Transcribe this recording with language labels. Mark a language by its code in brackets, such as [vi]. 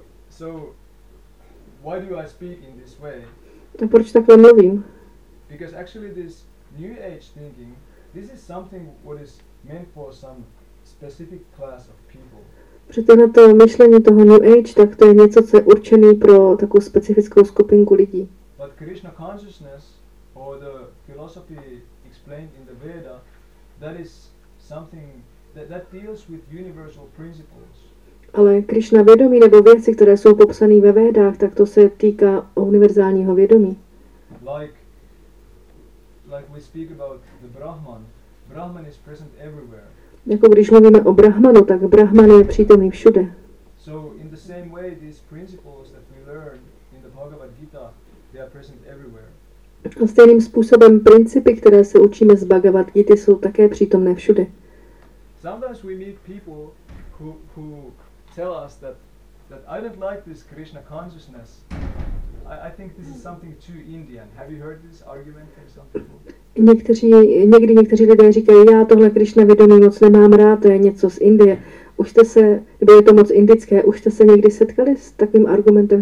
[en] So why do I speak in this way? [cs] A proč takhle mluvím? [en] Because actually this New Age thinking, this is something what is meant for some specific class of people. [cs] Protože na to myšlení toho New Age, tak to je něco, co je určený pro takovou specifickou skupinku lidí. [en] But Krishna consciousness or the philosophy explained in the Veda, that is something that deals with universal principles. [cs] Ale Krishna vědomí nebo věci, které jsou popsané ve Vedách, tak to se týká univerzálního vědomí. [en] Like we speak about the Brahman. Brahman is present everywhere. [cs] Jako když mluvíme o Brahmanu, tak Brahman je přítomný všude. [en] So in the same way these principles that we learn in the Bhagavad Gita, they are present everywhere. [cs] A stejným způsobem principy, které se učíme z Bhagavad Gita, jsou také přítomné všude. [en] Sometimes we meet people who tell us that I don't like this Krishna consciousness. I think this is something too Indian. Have you heard this argument from some people? [cs] Někdy někteří lidé říkají, já tohle Krishna vědomí moc nemám rád, to je něco z Indie. Už jste se, nebo je to moc indické, už jste se někdy setkali s takovým argumentem?